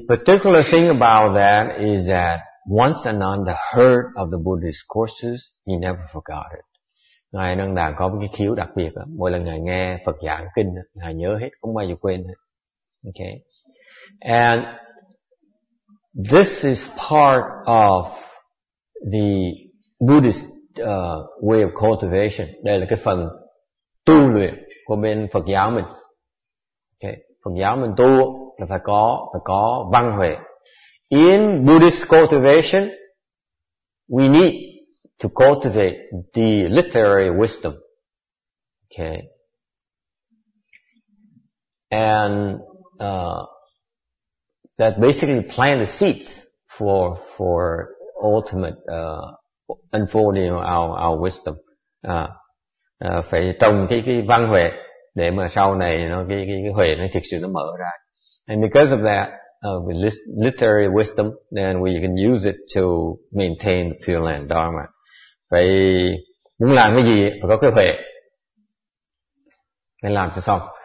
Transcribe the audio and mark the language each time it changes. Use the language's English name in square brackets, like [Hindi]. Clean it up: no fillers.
[English] particular thing about that is that once Ananda heard of the Buddhist courses, he never forgot it. [Vietnamese] Ngài Ananda đã có một cái khiếu đặc biệt đó. Mỗi lần Ngài nghe Phật giảng kinh, Ngài nhớ hết, không bao giờ quên hết. [English] Okay. And this is part of the Buddhist way of cultivation. [Vietnamese] Đây là cái phần tu luyện của bên Phật giáo mình. Okay. Phật giáo mình tu là phải có văn huệ. [English] In Buddhist cultivation, we need to cultivate the literary wisdom. Okay. And that basically plant the seeds for ultimate unfolding our wisdom. [Vietnamese] Phải trồng cái văn huệ để mà sau này nó cái huệ nó thực sự nó mở ra. [English] And because of that, literary wisdom, then we can use it to maintain the Pure Land Dharma. [Vietnamese] Vậy muốn làm cái gì phải có cái huệ để làm cho xong.